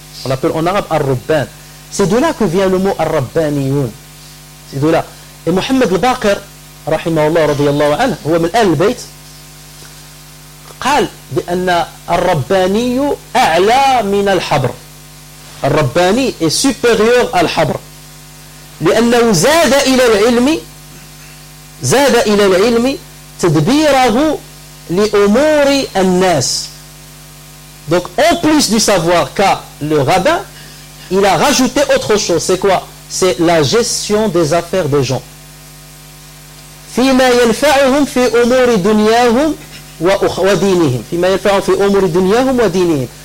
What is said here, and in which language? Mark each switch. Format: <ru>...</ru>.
<fr>On l'appelle en arabe Ar-Rubban. C'est de là que vient le mot Ar-Rabbaniyun. C'est de là.</fr> <ar>Et Mohamed al-Baqir, rahimahullah, radiyallahu anhu, huwa min al-bayt, قال بأن الرباني أعلى من الحبر.</ar> <fr>Ar-Rabbani est supérieur à l'habr.</fr> <ar>لأنه زاد إلى العلم زاد إلى العلم تدبيره لأمور الناس.</ar> <fr>Donc, en plus du savoir qu'a le rabbin, il a rajouté autre chose. C'est quoi? C'est la gestion des affaires des gens.</fr> <ar>فِيمَا يَنْفَعُهُمْ فِي أُمُورِ دُنْيَاهُمْ وَدِينِهِمْ فِيمَا يَنْفَعُهُمْ فِي أُمُورِ دُنْيَاهُمْ وَدِينِهِمْ.</ar>